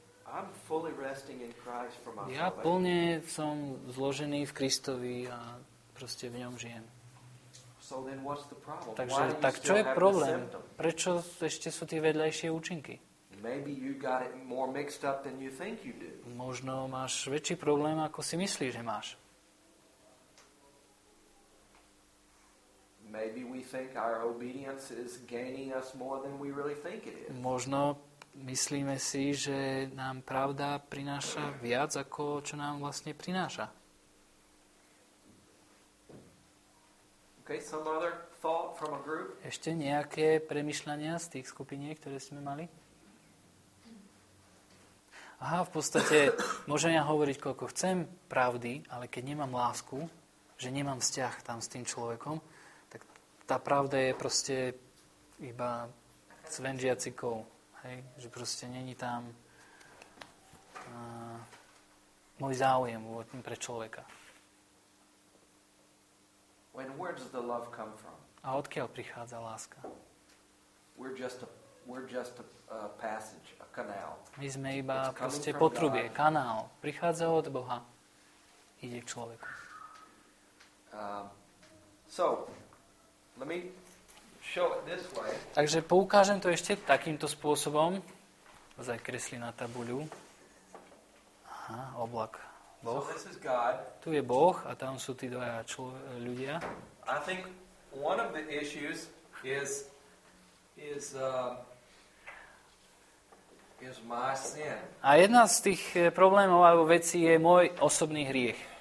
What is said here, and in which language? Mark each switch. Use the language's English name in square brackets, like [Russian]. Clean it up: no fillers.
[English] I'm fully resting in Christ for my salvation. [Slovak] Ja plne som zložený v Kristovi a proste v ňom žijem. [English] So then what's the problem? [Slovak] Takže, tak čo je problém? Prečo ešte sú tie vedľajšie účinky? [English] Maybe you got it more mixed up than you think you do. [Slovak] Možno máš väčší problém, ako si myslíš, že máš. [English] Maybe we think our obedience is gaining us more than we really think it is. [Slovak] Možno myslíme si, že nám pravda prináša viac, ako čo nám vlastne prináša. [English] Okay, some other thought from a group? [Slovak] Ešte nejaké premyšľania z tých skupiniek, ktoré sme mali? Aha, v podstate môžem ja hovoriť, koľko chcem pravdy, ale keď nemám lásku, že nemám vzťah tam s tým človekom, tak tá pravda je proste iba cvenžiaci kov. Hej? Že proste není tam môj záujem pre človeka. [English] When, where does the love come from? [Slovak] A odkiaľ prichádza láska? [English] We're just a passage, a canal. [Slovak] My sme iba proste potrubie, kanál. Prichádza od Boha, ide k človeku. [English] So, let me show it this way. [Slovak] Takže poukážem to ešte takýmto spôsobom. Zakresli na tabuľu. Aha, oblak. Boh. [English] So this is God. [Slovak] Tu je Boh a tam sú tí dvaja ľudia. [English] I think one of the issues is my sin. [Slovak] A jedna z tých problémov alebo vecí je môj osobný hriech.